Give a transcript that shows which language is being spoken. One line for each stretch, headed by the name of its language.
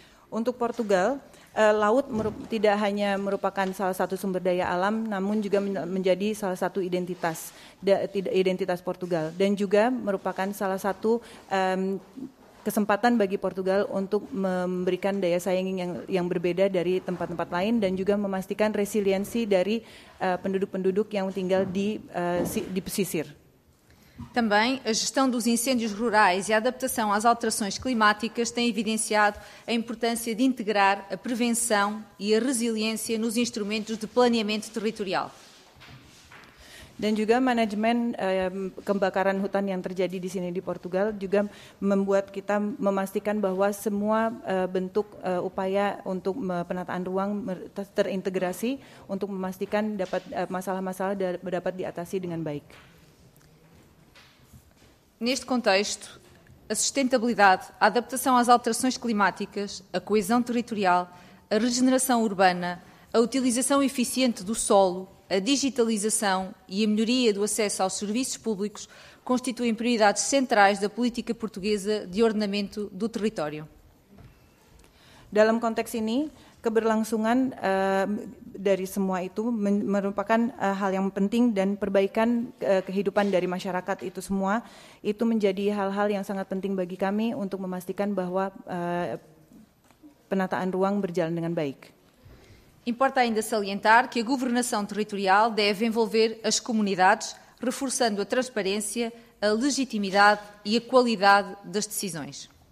Indonesian: Untuk Portugal, laut tidak hanya merupakan salah satu sumber daya alam, namun juga menjadi salah satu identitas Portugal dan juga merupakan salah satu kesempatan bagi Portugal untuk memberikan daya saing yang berbeda dari tempat-tempat lain dan juga memastikan resiliensi dari penduduk-penduduk yang tinggal di pesisir.
Portuguese: Também a gestão dos incêndios rurais e a adaptação às alterações climáticas têm evidenciado a importância de integrar a prevenção e a resiliência nos instrumentos de planeamento territorial.
Indonesian: Dan juga manajemen kebakaran hutan yang terjadi di sini di Portugal juga membuat kita memastikan bahwa semua bentuk upaya untuk penataan ruang terintegrasi untuk memastikan dapat masalah-masalah dapat diatasi dengan baik.
Portuguese: Neste contexto, a sustentabilidade, a adaptação às alterações climáticas, a coesão territorial, a regeneração urbana, a utilização eficiente do solo, a digitalização e a melhoria do acesso aos serviços públicos constituem prioridades centrais da política portuguesa de ordenamento do território.
Indonesian: Dalam konteks ini, keberlangsungan dari semua itu merupakan hal yang penting dan perbaikan kehidupan dari masyarakat itu semua itu menjadi hal-hal yang sangat penting bagi kami untuk memastikan bahwa penataan ruang berjalan dengan baik.
Portuguese: Importa ainda salientar que a governação territorial deve envolver as comunidades, reforçando a transparência, a legitimidade e a qualidade das decisões.